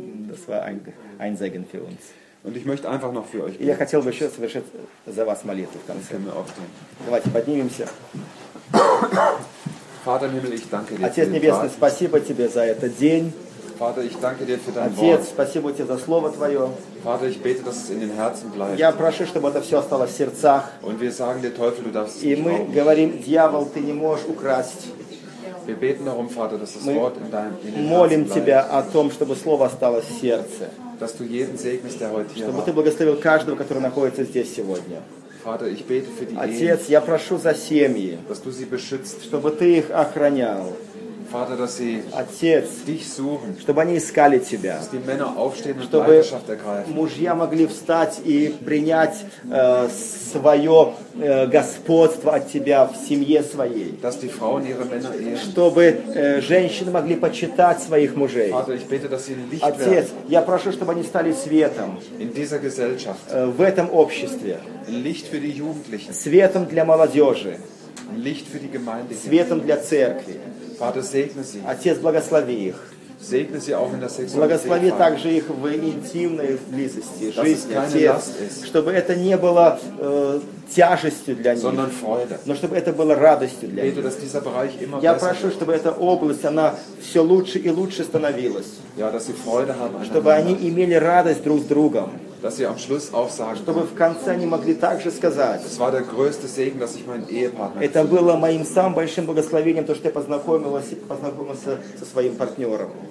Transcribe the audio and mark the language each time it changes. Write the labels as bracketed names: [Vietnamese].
[German] Das war ein Segen für uns. Und ich möchte einfach noch für euch beten. [Russian] Я хотел бы еще совершить за вас молитву. [German] Das können wir auch tun. [Russian] Давайте поднимемся. [German] Vater im Himmel, ich danke dir. [Russian] Отец небесный, спасибо тебе за этот день. [German] Vater, ich danke dir für dein Wort. [Russian] Отец, спасибо тебе за слово твое. [German] Vater, ich bete, dass es in den Herzen bleibt. [Russian] Я прошу, чтобы это все осталось в сердцах. [German] Und wir sagen dir, Teufel, du darfst [Russian] и мы [German] nicht [Russian] говорим, дьявол, ты не можешь украсть. [German] Wir beten darum, Vater, dass das [Russian] мы [German] Wort in deinem Herzen bleibt. [Russian] Молим тебя о том, чтобы слово осталось в сердце. [German] Dass du jeden segnest, der heute hier [Russian] чтобы ты благословил каждого, который находится здесь сегодня. [German] Vater, ich bete für die [Russian] Отец, я прошу за семьи, [German] dass du sie beschützt, [Russian] чтобы ты их охранял. [German] Vater, dass sie [Russian] Отец, [German] dich suchen, [Russian] чтобы они искали тебя, [German] dass die Männer aufstehen [Russian] чтобы [German] und Leidenschaft ergreifen. [Russian] Мужья могли встать и принять свое господство от тебя в семье своей. [German] Dass die Frauen ihre Männer ehren. [Russian] Чтобы женщины могли почитать своих мужей. [German] Vater, ich bete, dass sie Licht werden. [Russian] Отец, я прошу, чтобы они стали светом [German] in dieser Gesellschaft, [Russian] в этом обществе. [German] Licht für die Jugendlichen. [Russian] Светом для молодежи. [German] Licht für die Gemeinde. [Russian] Светом для церкви. [German] Vater, segne sie. [Russian] Отец, благослови их. [German] Segne sie auch in der Sexualität. [Russian] Благослови также их в интимной близости, жизни, Отец, чтобы это не было тяжестью для них, [German] sondern Freude. [Russian] Но чтобы это было радостью для них. [German] Dass dieser Bereich immer [Russian] Я прошу, чтобы эта область, она все лучше и лучше становилась. [German] Ja, dass sie Freude haben, [Russian] чтобы они имели радость друг с другом. [German] Dass sie am Schluss auch sagen, [Russian] чтобы в конце они могли также сказать. [German] Das war der größte Segen, dass ich meinen Ehepartner. [Russian] Это было моим самым большим благословением, то, что я познакомился со своим партнером.